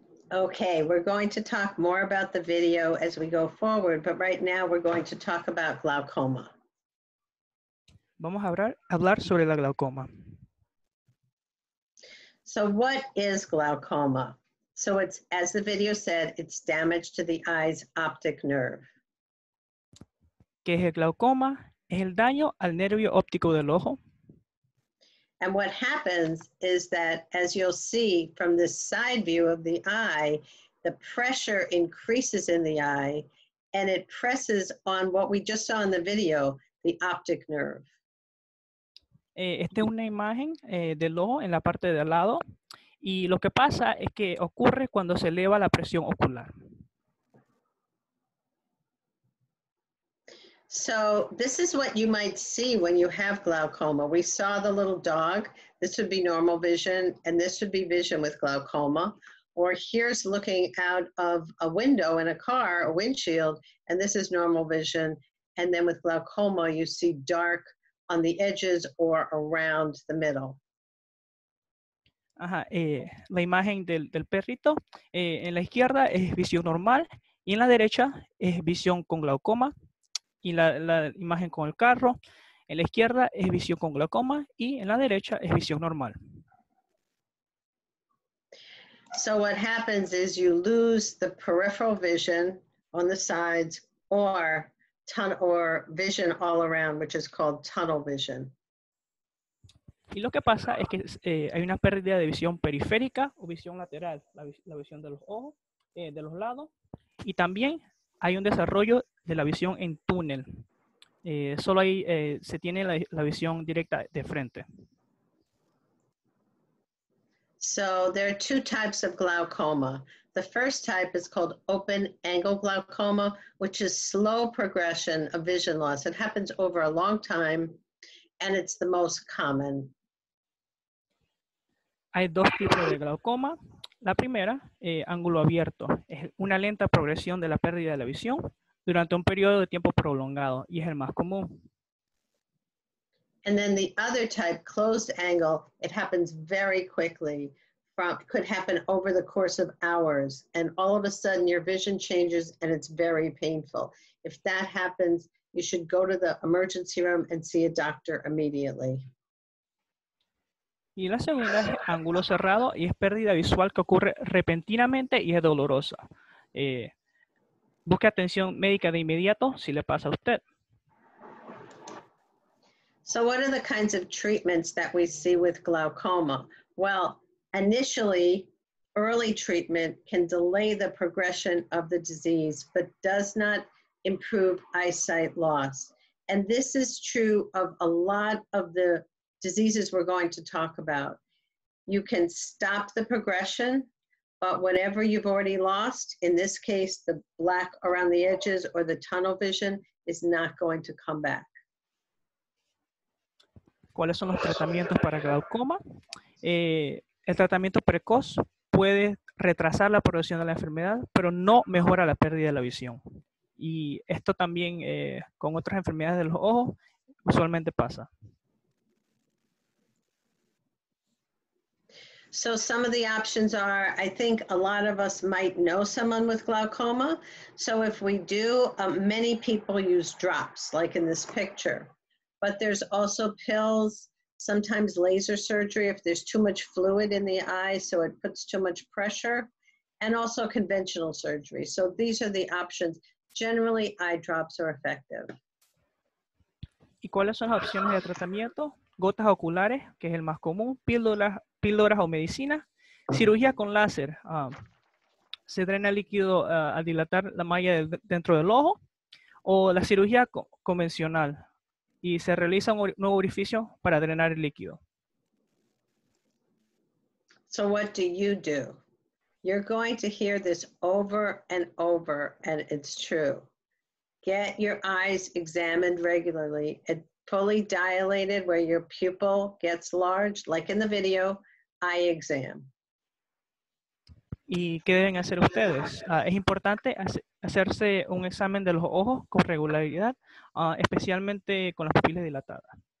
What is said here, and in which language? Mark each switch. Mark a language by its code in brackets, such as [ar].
[en] Okay, we're going to talk more about the video as we go forward, but right now we're going to talk about glaucoma. [es] Vamos a hablar sobre la glaucoma. [en] So what is glaucoma? So it's, as the video said, it's damage to the eye's optic nerve. [es] ¿Qué es el glaucoma? Es el daño al nervio óptico del ojo. [en] And what happens is that, as you'll see from this side view of the eye, the pressure increases in the eye and it presses on what we just saw in the video, the optic nerve. [es] Esta es una imagen del ojo en la parte de al lado. Y lo que pasa es que ocurre cuando se eleva la presión ocular. [en] So this is what you might see when you have glaucoma. We saw the little dog. This would be normal vision, and this would be vision with glaucoma. Or here's looking out of a window in a car, a windshield, and this is normal vision. And then with glaucoma, you see dark on the edges or around the middle. [es] Ajá, la imagen del perrito, en la izquierda es visión normal, y en la derecha es visión con glaucoma. Y la imagen con el carro, en la izquierda es visión con glaucoma, y en la derecha es visión normal. [en] So what happens is you lose the peripheral vision on the sides or vision all around, which is called tunnel vision. [es] Y lo que pasa es que hay una pérdida de visión periférica o visión lateral, la visión de los ojos, de los lados, y también hay un desarrollo de la visión en túnel. Solo ahí se tiene la visión directa de frente. [en] So there are two types of glaucoma. The first type is called open angle glaucoma, which is slow progression of vision loss. It happens over a long time, and it's the most common. [es] Hay dos tipos de glaucoma. La primera, ángulo abierto, es una lenta progresión de la pérdida de la visión durante un periodo de tiempo prolongado, y es el más común. [en] And then the other type, closed angle, it happens very quickly. Could happen over the course of hours, and all of a sudden your vision changes and it's very painful. If that happens, you should go to the emergency room and see a doctor immediately. [es] Y la segunda es ángulo cerrado, y es pérdida visual que ocurre repentinamente y es dolorosa. Busque atención médica de inmediato si le pasa a usted. [en] So what are the kinds of treatments that we see with glaucoma? Well, initially, early treatment can delay the progression of the disease, but does not improve eyesight loss. And this is true of a lot of the diseases we're going to talk about. You can stop the progression, but whatever you've already lost, in this case, the black around the edges or the tunnel vision, is not going to come back. [es] ¿Cuáles son los tratamientos para glaucoma? El tratamiento precoz puede retrasar la progresión de la enfermedad, pero no mejora la pérdida de la visión. Y esto también con otras enfermedades de los ojos usualmente pasa. [en] So some of the options are, I think a lot of us might know someone with glaucoma. So if we do, many people use drops, like in this picture. But there's also pills, sometimes laser surgery, if there's too much fluid in the eye, so it puts too much pressure, and also conventional surgery. So these are the options. Generally, eye drops are effective. [es] ¿Y cuáles son las opciones de tratamiento? Gotas oculares, que es el más común, píldoras o medicina, cirugía con láser, se drena líquido al dilatar la malla dentro del ojo, o la cirugía convencional, y se realiza un nuevo orificio para drenar el líquido. [en] So what do you do? You're going to hear this over, and it's true. Get your eyes examined regularly, and fully dilated where your pupil gets large, like in the video, eye exam. [es] ¿Y qué deben hacer ustedes? Es importante hacerse un examen de los ojos con regularidad, especialmente con las pupilas dilatadas.